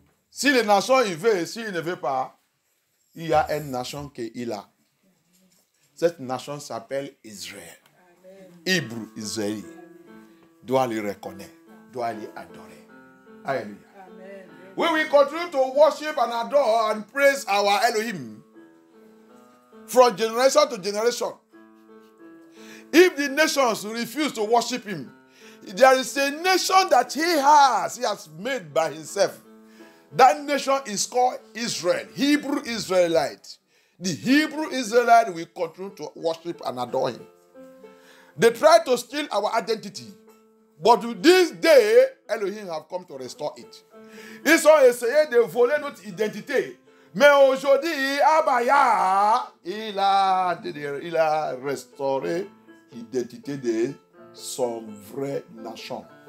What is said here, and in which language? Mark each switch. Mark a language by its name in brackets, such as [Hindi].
[French] Si les nations y veulent, s'il ne veut pas, il y a une nation qu'il a. Cette nation s'appelle Israël. Hébreu, Israël, doit le reconnaître, doit le adorer. Alléluia. [English] When we continue to worship and adore and praise our Elohim from generation to generation, if the nations refuse to worship him, there is a nation that he has made by himself. That nation is called Israel, Hebrew Israelite. The Hebrew Israelite will continue to worship and adore him. They try to steal our identity, but this day, Elohim have come to restore it. [French] Ils ont essayé de voler notre identité, mais aujourd'hui, Abba Yah, il a restauré l'identité de son vrai nation.